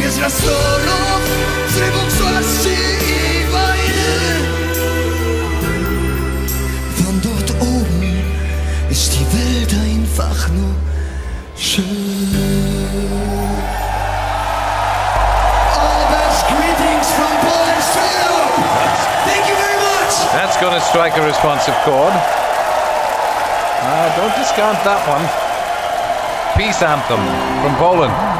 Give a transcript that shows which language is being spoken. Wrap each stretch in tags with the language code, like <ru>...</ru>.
<pl>Storów, zrywów złości i wojny.</pl> <de>Von dort oben ist die Welt einfach nur schön.</de> <en>All the best greetings from Poland to Europe. Thank you very much. That's going to strike a responsive chord. Don't discount that one. Peace anthem from Poland.</en>